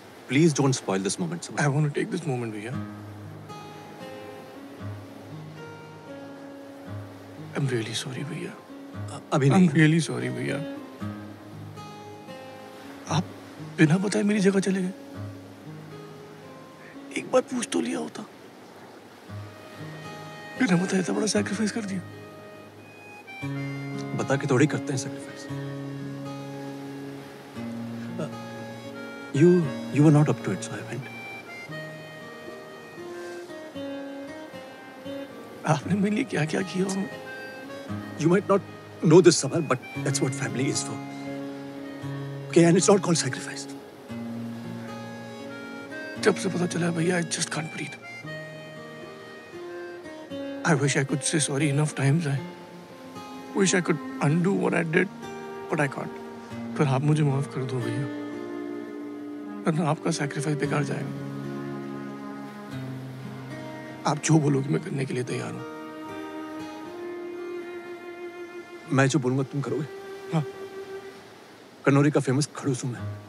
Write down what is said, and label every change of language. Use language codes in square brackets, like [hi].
[en] Please don't spoil this moment. I want to take this moment, भैया. I'm really sorry, भैया. [hi] अभी नहीं. [en] I'm really sorry, भैया. [hi] आप बिना बताए मेरी जगह चले गए. एक बार पूछ तो लिया होता. बिना बताए इतना बड़ा सैक्रिफाइस कर दिया. बता के थोड़ी करते हैं sacrifice. [en] You were not up to it, so I went. [hi] आपने मेरे लिए क्या क्या किया? [en] You might not know this, Samar, but that's what family is for. Okay, and it's not called sacrifice. [hi] जब से पता चला भैया, [en] I just can't breathe. I wish I could say sorry enough times. I wish I could undo what I did, but I can't. [hi] पर आप मुझे माफ कर दो भैया. आपका सैक्रिफाइस बेकार जाएगा. आप जो बोलोगे मैं करने के लिए तैयार हूं. मैं जो बोलूंगा तुम करोगे? हाँ. कन्नौरी का फेमस खड़ूस हूं मैं.